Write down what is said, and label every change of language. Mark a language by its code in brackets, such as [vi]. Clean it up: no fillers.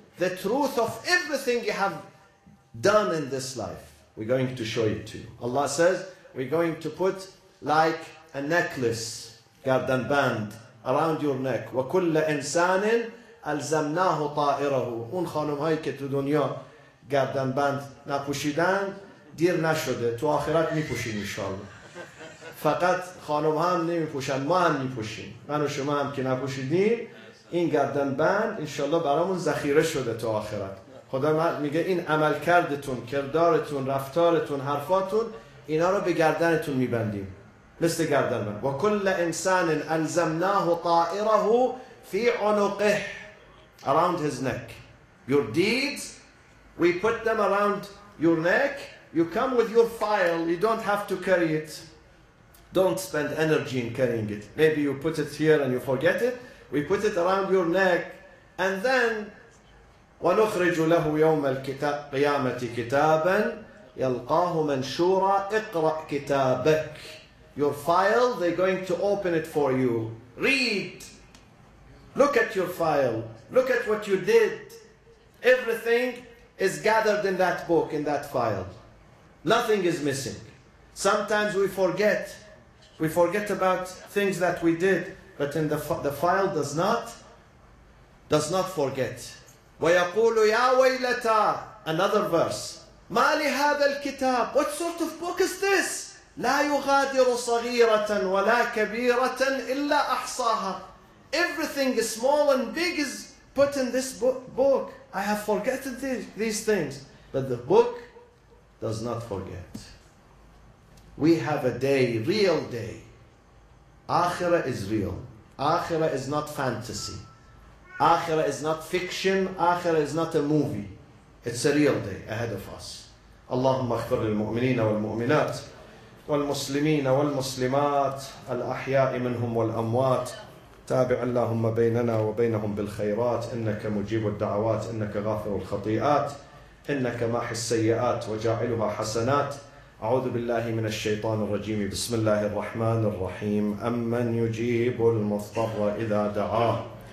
[en] The truth of everything you have done in this life. We're going to show it to you. Allah says, we're going to put like a necklace, garden band, around your neck. [ar] وَكُلَّ إِنسَانٍ أَلْزَمْنَاهُ طَائِرَهُ. [fa] اون خانم هایی که تو دنیا garden band نپوشیدن دیر نشده. تو آخرت میپوشیم انشاءالله. فقط خانم هم نمیپوشن. ما هم میپوشیم. من و شما هم که نپوشیدیم این garden band انشاءالله برامون ذخیره شده تو آخرت. خدا میگه این عمل کردتون، کردارتون، رفتارتون، حرفاتون، اینا رو به گردنتون میبندیم. مثل گردن من. [ar] و کل انسان الزمناه طائره فی عنقه. [en] Around his neck. Your deeds We put them around your neck. You come with your file. You don't have to carry it. Don't spend energy in carrying it. Maybe you put it here and you forget it. We put it around your neck. And then, [ar] وَنُخْرِجُ لَهُ يَوْمَ الْقِيَامَةِ كِتَابًا يَلْقَاهُ مَنْشُورًا اِقْرَأْ كِتَابَكَ. [en] Your file, they're going to open it for you. Read. Look at your file. Look at what you did. Everything is gathered in that book, in that file. Nothing is missing. Sometimes we forget. We forget about things that we did. But in the file does not forget. [ar] وَيَقُولُ يَا وَيْلَتَا. [en] Another verse. [ar] مَا لِهَذَا الْكِتَابِ. [en] What sort of book is this? [ar] لا يغادر صغيرة ولا كبيرة إلا أحصاها. [en] Everything is small and big is put in this book. I have forgotten these things. But the book does not forget. We have a day, real day. Akhirah is real. Akhirah is not fantasy. Akhirah is not fiction. Akhirah is not a movie. It's a real day ahead of us. [ar] Allahumma akhfir lilmu'minin walmu'minat. والمسلمين والمسلمات الأحياء منهم والأموات تابع اللهم بيننا وبينهم بالخيرات إنك مجيب الدعوات إنك غافر الخطيئات إنك ماحي السيئات وجاعلها حسنات أعوذ بالله من الشيطان الرجيم بسم الله الرحمن الرحيم أمن يجيب المضطر إذا دعاه